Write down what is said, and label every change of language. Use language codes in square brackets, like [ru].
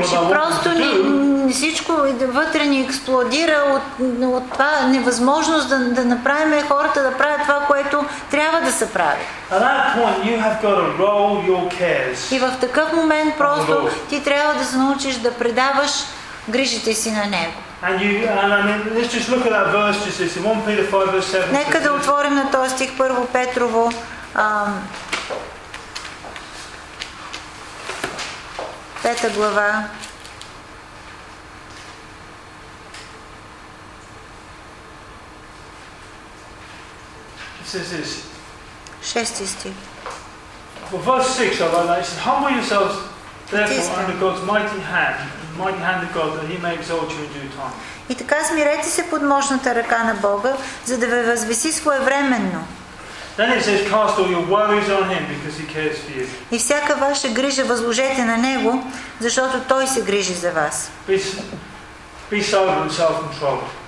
[bg] Просто всичко вътре ни експлодира от това невъзможност да направим хората да правят това, което трябва да се прави. [en] At that point, you have got to roll your cares. [bg] И в такъв момент просто ти трябва да се научиш да предаваш грижите си на Него. [en] And you, and I mean, let's just look at that verse just this, in 1 Peter 5, verse 7. [bg] Нека да отворим на този стих, 1 Петрово. Пета глава. [en] This is it. [bg] Шести стих. [en] Well, verse 6 of our life, it says, humble yourselves therefore under God's mighty hand of God, that he may exalt you in due time. [bg] И така смирете се под мощната ръка на Бога, за да ви възвиси своевременно. [en] Then it says, cast all your worries on him because he cares for you. [bg] И всяка ваша грижа възложете на него, защото той се грижи за вас. [en] Be sober and self-controlled.